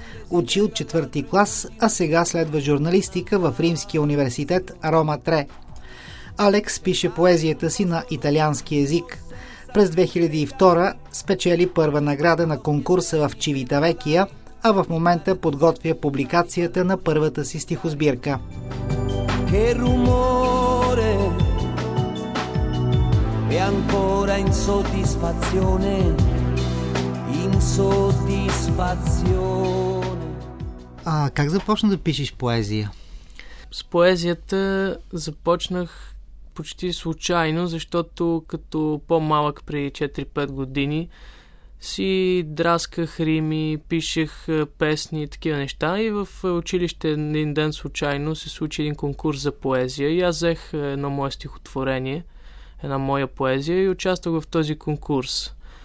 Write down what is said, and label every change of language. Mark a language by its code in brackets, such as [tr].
[bg] Учи от 4-ти клас, а сега следва журналистика в Римския университет Рома Тре. Алекс пише поезията си на италиански език. През 2002 спечели първа награда на конкурса в Чивитавекия, а в момента подготвя публикацията на първата си стихосбирка. [it] Che rumore è ancora insoddisfazione, insoddisfazione. [bg] А как започна да пишеш поезия? С поезията започнах почти случайно, защото като по-малък при 4-5 години си драсках рими, пишех песни и такива неща, и в училище един ден случайно се случи един конкурс за поезия и аз взех едно мое стихотворение, една моя поезия и участвах в този конкурс.